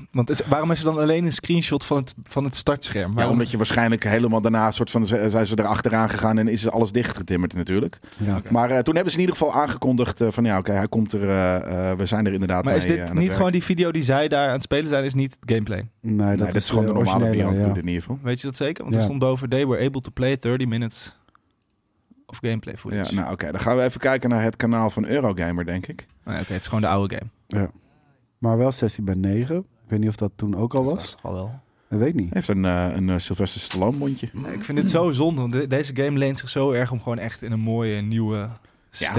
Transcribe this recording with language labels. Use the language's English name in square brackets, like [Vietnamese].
[Dutch] Want waarom is er dan alleen een screenshot van het startscherm? Ja, omdat je waarschijnlijk helemaal daarna soort van, zijn ze erachteraan gegaan en is alles dichtgetimmerd natuurlijk. Ja, okay. Maar toen hebben ze in ieder geval aangekondigd van ja, oké, hij komt er, we zijn er inderdaad maar mee. Maar is dit niet gewoon die video die zij daar aan het spelen zijn, is niet gameplay? Nee, dat is gewoon de normale video in ieder geval. Weet je dat zeker? Want er stond boven, [English] they were able to play 30 minutes of gameplay footage. [Dutch] Ja, nou oké, dan gaan we even kijken naar het kanaal van Eurogamer, denk ik. Oké, het is gewoon de oude game. Ja. Maar wel 16:9. Ik weet niet of dat toen ook al was. Dat was toch al wel. Ik weet niet. Hij heeft een Sylvester Stallone mondje. Nee, ik vind dit zo zonde. Want deze game leent zich zo erg om gewoon echt in een mooie nieuwe stijl.